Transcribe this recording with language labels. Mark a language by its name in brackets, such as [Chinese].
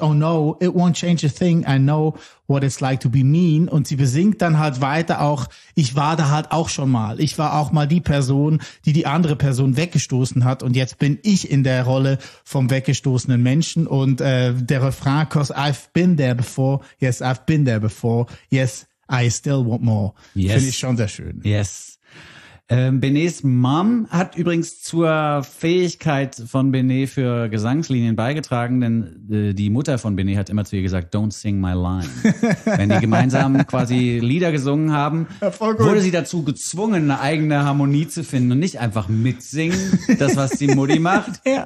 [English] Oh no, it won't change a thing. I know what it's like to be mean. [German] Und sie besingt dann halt weiter auch, ich war da halt auch schon mal. Ich war auch mal die Person, die die andere Person weggestoßen hat. Und jetzt bin ich in der Rolle vom weggestoßenen Menschen. Und der Refrain, [English] 'cause I've been there before. Yes, I've been there before. Yes, I still want more. Yes. [German] Finde ich schon sehr schön. [English] Yes. [German] Benets Mom hat übrigens zur Fähigkeit von Benet für Gesangslinien beigetragen, denn die Mutter von Benet hat immer zu ihr gesagt, [English] don't sing my line. [German] Wenn die gemeinsam quasi Lieder gesungen haben, ja, wurde sie dazu gezwungen, eine eigene Harmonie zu finden und nicht einfach mitsingen, das, was die Mutti macht. Ja.